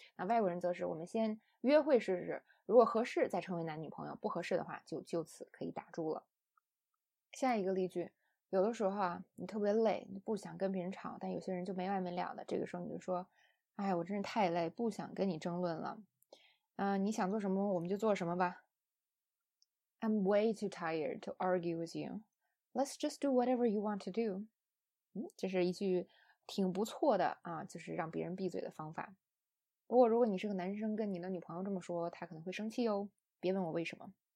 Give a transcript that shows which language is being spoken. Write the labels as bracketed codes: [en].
[zh] 那外国人则是我们先约会试试，如果合适再成为男女朋友，不合适的话就此可以打住了。下一个例句，有的时候啊，你特别累，你不想跟别人吵，但有些人就没完没了的，这个时候你就说，哎，我真是太累，不想跟你争论了。你想做什么我们就做什么吧。 [en] I'm way too tired to argue with you. Let's just do whatever you want to do. [zh] 这是一句挺不错的啊，就是让别人闭嘴的方法。不过如果你是个男生跟你的女朋友这么说，她可能会生气哦，别问我为什么。